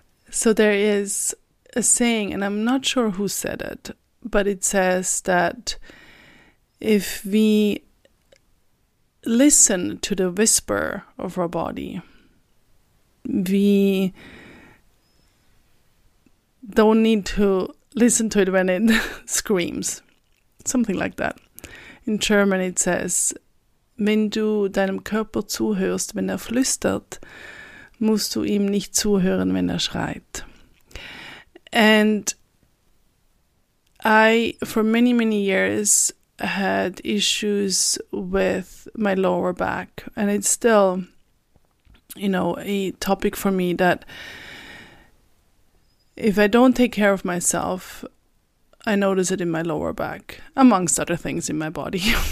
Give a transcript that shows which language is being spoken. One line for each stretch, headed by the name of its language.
English: So there is a saying, and I'm not sure who said it, but it says that if we listen to the whisper of our body, we don't need to listen to it when it screams. Something like that. In German it says,
German: wenn du deinem Körper zuhörst, wenn flüstert, musst du ihm nicht zuhören, wenn schreit.
English: And I, for many, many years, had issues with my lower back, and it's still, you know, a topic for me that if I don't take care of myself, I notice it in my lower back, amongst other things in my body.